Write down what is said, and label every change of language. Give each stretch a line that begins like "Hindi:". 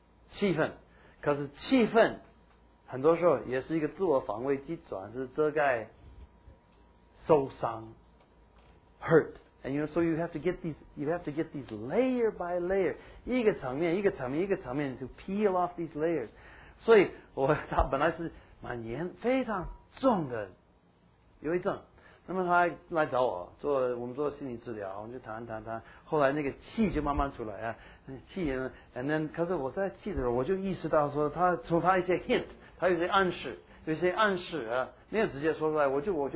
Chinese: 气氛，可是气氛很多时候也是一个自我防卫机转，是遮盖受伤 ，hurt。
English: And you know, so you have to get these layer by layer,
Chinese: 一个层面一个层面一个层面
English: to peel off these layers.
Chinese: 所以他本来是蛮严非常重的忧郁症。那么他来找我做我们做心理治疗，我们就谈，后来那个气就慢慢出来啊，气呢 ，
English: and then
Chinese: 可是我在气的时候，我就意识到说他从他一些 hint， 他有些暗示啊，没有直接说出来，我就。